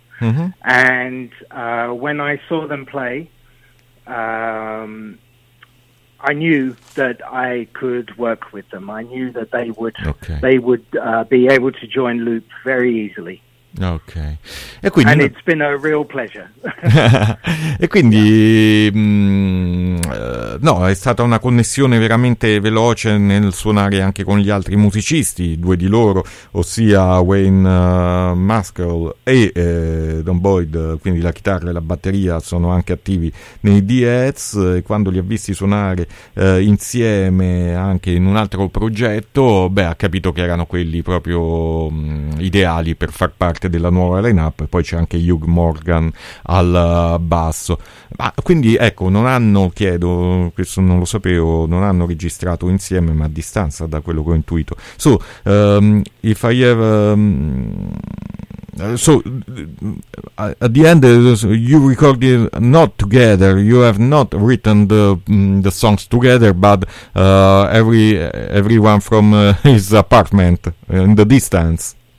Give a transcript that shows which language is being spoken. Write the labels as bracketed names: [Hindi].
[English] Mm-hmm. And when I saw them play, I knew that I could work with them. I knew that they would be able to join Loop very easily. [Italian] Ok. E quindi, [English] and it's been a real pleasure. [Italian] E quindi no, è stata una connessione veramente veloce nel suonare anche con gli altri musicisti, due di loro, ossia Wayne Maskell e Don Boyd, quindi la chitarra e la batteria sono anche attivi nei Deads, e quando li ha visti suonare insieme anche in un altro progetto, beh, ha capito che erano quelli proprio ideali per far parte della nuova lineup. Poi c'è anche Hugh Morgan al basso. Ma quindi, ecco, non hanno, chiedo, questo non lo sapevo, non hanno registrato insieme, ma a distanza, da quello che ho intuito. [English] So, if I have so at the end you recorded not together, you have not written the songs together, but everyone from his apartment in the distance.